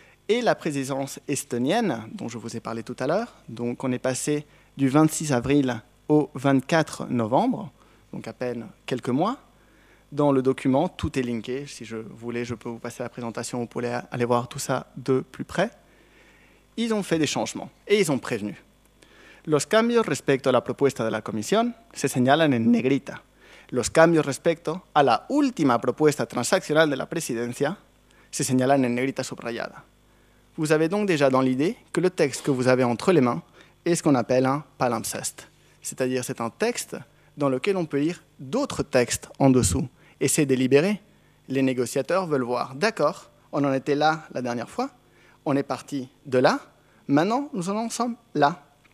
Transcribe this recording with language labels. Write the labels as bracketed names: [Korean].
[French] Et la présidence estonienne, dont je vous ai parlé tout à l'heure, donc on est passé du 26 avril au 24 novembre, donc à peine quelques mois. Dans le document, tout est linké. Si je voulais, je peux vous passer la présentation. Vous pouvez aller voir tout ça de plus près. Ils ont fait des changements et ils ont prévenu. [Spanish] Los cambios respecto a la propuesta de la Comisión se señalan en negrita. Los cambios respecto a la última propuesta transaccional de la Presidencia se señalan en negrita subrayada. [French] Vous avez donc déjà dans l'idée que le texte que vous avez entre les mains est ce qu'on appelle un palimpseste. C'est-à-dire, c'est un texte dans lequel on peut lire d'autres textes en dessous. Et c'est délibéré. Les négociateurs veulent voir. D'accord, on en était là la dernière fois. On est parti de là. Maintenant, nous en sommes là.